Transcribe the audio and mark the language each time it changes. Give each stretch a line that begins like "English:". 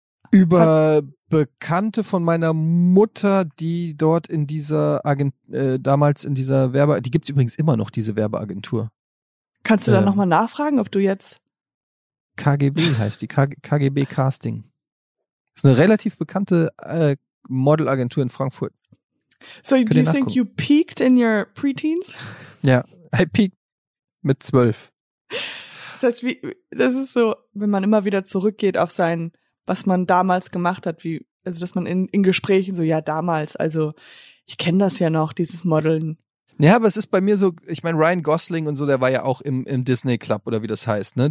German: Über Bekannte von meiner Mutter, die dort in dieser die gibt's übrigens immer noch, diese Werbeagentur. Kannst du da nochmal nachfragen, ob du jetzt? KGB heißt die, KGB Casting. Ist eine relativ bekannte Modelagentur in Frankfurt.
English: So, do you think you peaked in your preteens?
German: Ja,
English: I peaked
German: mit 12. Das heißt, das ist so, wenn man immer wieder zurückgeht auf seinen, was man damals gemacht hat, wie also dass man in Gesprächen so, ja, damals, also ich kenne das ja noch, dieses Modeln. Ja, aber es ist bei mir so, ich meine, Ryan Gosling und so, der war ja auch im Disney Club oder wie das heißt, ne?